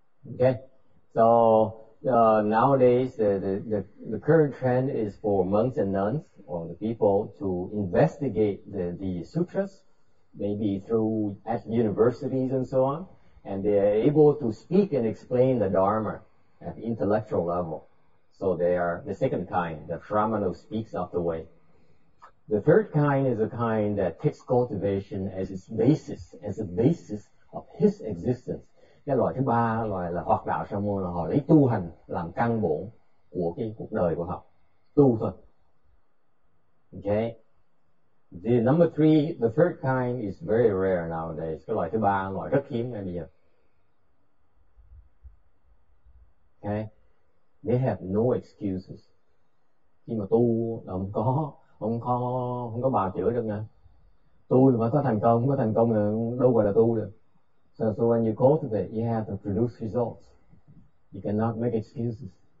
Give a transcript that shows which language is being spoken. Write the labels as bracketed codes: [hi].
[en] Okay, so nowadays the current trend is for monks and nuns or the people to investigate the sutras, maybe through at universities and so on, and they are able to speak and explain the Dharma at the intellectual level. So they are the second kind, the Shramana who speaks of the way. The third kind is a kind that takes cultivation as its basis, as the basis of his existence. [vi] Cái loại thứ ba, loại là hoặc đạo sa môn, là họ lấy tu hành làm căn bản của cái cuộc đời của họ. Tu thôi. Okay. [en] The number three, the third kind is very rare nowadays. [vi] Cái loại thứ ba, loại rất hiếm ngay bây giờ. [en] Okay. They have no excuses. [vi] Khi mà tu là không có bào chữa được nha. Tôi mà có thành công, không có thành công là đâu gọi là tu được. [en] So when you cultivate, you have to produce results. You cannot make excuses.